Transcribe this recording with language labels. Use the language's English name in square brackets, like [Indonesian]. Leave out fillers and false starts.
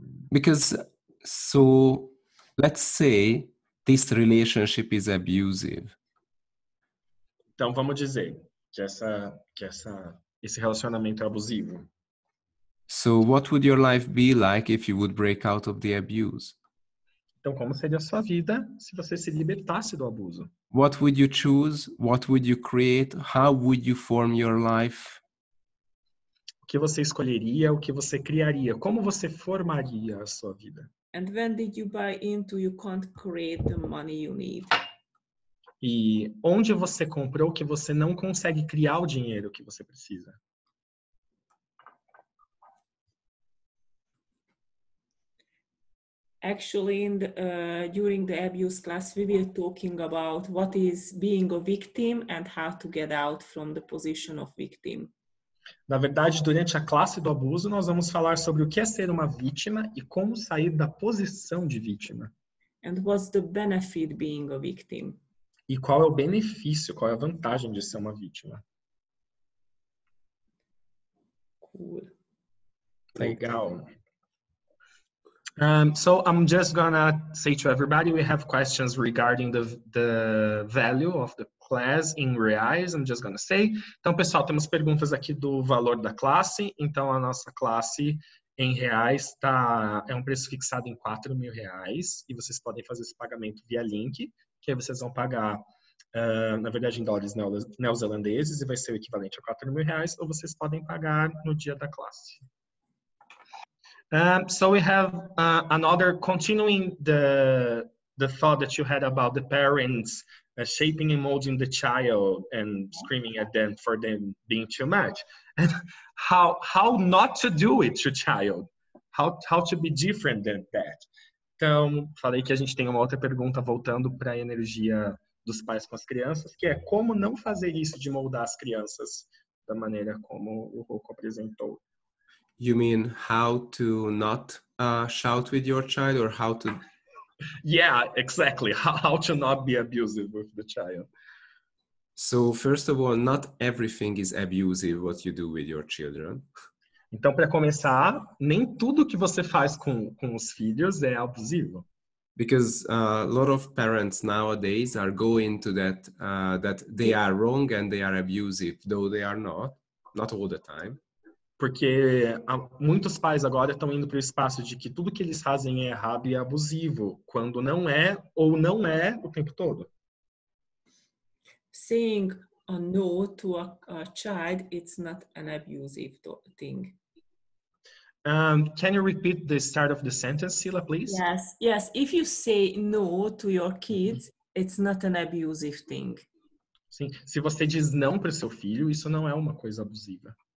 [English] Because, so, let's say this relationship is abusive. [Portuguese] Então, vamos dizer que esse relacionamento é abusivo. [English] So, what would your life be like if you would break out of the abuse? [Portuguese] Então, como seria a sua vida se você se libertasse do abuso? [English] What would you choose? What would you create? How would you form your life? [Portuguese] O que você escolheria, o que você criaria, como você formaria a sua vida. [English] And when did you buy into you can't create the money you need? [Portuguese] E onde você comprou que você não consegue criar o dinheiro que você precisa? [English] Actually, during the abuse class, we were talking about what is being a victim and how to get out from the position of victim. [Portuguese] Na verdade, durante a classe do abuso, nós vamos falar sobre o que é ser uma vítima e como sair da posição de vítima. [English] And what's the benefit being a victim? [Portuguese] E qual é o benefício, qual é a vantagem de ser uma vítima? [English] Cool. [Portuguese] Legal. [English] So I'm just gonna say to everybody, we have questions regarding the value of the class in reais, I'm just gonna say. [Portuguese] Então, pessoal, temos perguntas aqui do valor da classe. Então, a nossa classe em reais é um preço fixado em R$4.000 e vocês podem fazer esse pagamento via link, que aí vocês vão pagar, na verdade, em dólares neozelandeses e vai ser o equivalente a R$4.000, ou vocês podem pagar no dia da classe. [English] So we have another, continuing the thought that you had about the parents shaping and molding the child and screaming at them for them being too much. And how not to do it to child? How to be different than that? [Portuguese] Então, falei que a gente tem uma outra pergunta voltando para a energia dos pais com as crianças, que é como não fazer isso de moldar as crianças da maneira como o Rocco apresentou. [English] You mean how to not shout with your child or how to... Yeah, exactly. How to not be abusive with the child. So first of all, not everything is abusive what you do with your children. [Portuguese] Então, para começar, nem tudo que você faz com os filhos é abusivo. [English] Because a lot of parents nowadays are going to that that they are wrong and they are abusive, though they are not, not all the time. [Portuguese] Porque muitos pais agora estão indo para o espaço de que tudo que eles fazem é errado e abusivo, quando não é ou não é o tempo todo. [English] Saying a no to a child, it's not an abusive thing. Can you repeat the start of the sentence, Sila, please? Yes, yes. If you say no to your kids, it's not an abusive thing. [Portuguese] Sim, se você diz não para o seu filho, isso não é uma coisa abusiva.